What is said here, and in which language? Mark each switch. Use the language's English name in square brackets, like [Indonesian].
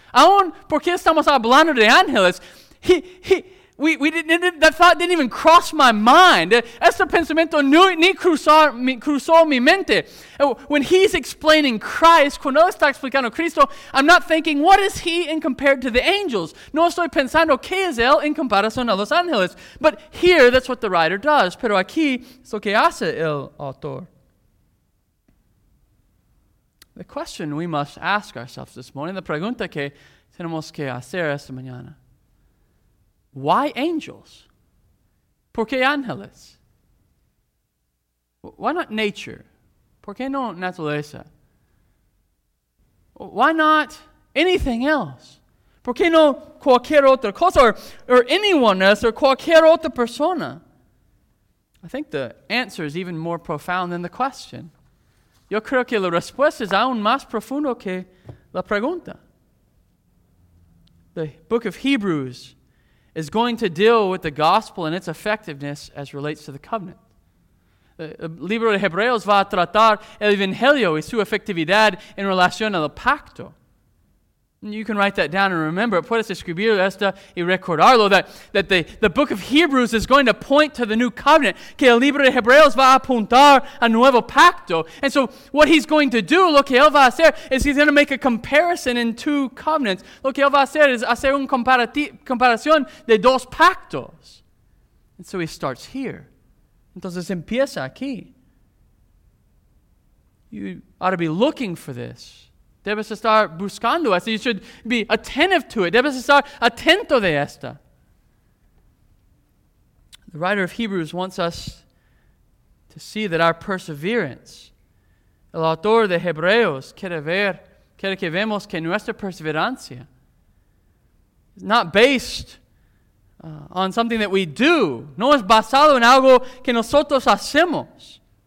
[Spanish] Aún porque estamos hablando de ángeles, [English] that thought didn't even cross my mind. [Spanish] Ese pensamiento ni cruzó mi mente. [English] When he's explaining Christ, [Spanish] cuando está explicando Cristo, [English] I'm not thinking, what is he in compared to the angels? [Spanish] No estoy pensando, ¿qué es él en comparación a los ángeles? [English] But here, that's what the writer does. [Spanish] Pero aquí, es lo que hace el autor. [English] The question we must ask ourselves this morning, [Spanish] la pregunta que tenemos que hacer esta mañana, [English] why angels? [Spanish] ¿Por qué ángeles? [English] Why not nature? [Spanish] ¿Por qué no naturaleza? [English] Why not anything else? [Spanish] ¿Por qué no cualquier otra cosa? [English] Or anyone else, or [Spanish] cualquier otra persona? [English] I think the answer is even more profound than the question. [Spanish] Yo creo que la respuesta es aún más profundo que la pregunta. [English] The book of Hebrews is going to deal with the gospel and its effectiveness as relates to the covenant. [Spanish] El libro de Hebreos va a tratar el evangelio y su efectividad en relación al pacto. [English] You can write that down and remember it. [Spanish] Puedes escribir esto y recordarlo, [English] that the book of Hebrews is going to point to the new covenant, [Spanish] que el libro de Hebreos va a apuntar a nuevo pacto. [English] And so what he's going to do, [Spanish] lo que él va a hacer, [English] is he's going to make a comparison in two covenants. [Spanish] Lo que él va a hacer es hacer una comparación de dos pactos. [English] And so he starts here. [Spanish] Entonces empieza aquí. [English] You ought to be looking for this. [Spanish] Debes estar buscando esto. [English] You should be attentive to it. [Spanish] Debes estar atento de esta. [English] The writer of Hebrews wants us to see that our perseverance, [Spanish] el autor de Hebreos quiere que vemos que nuestra perseverancia [English] is not based on something that we do. [Spanish] No es basado en algo que nosotros hacemos.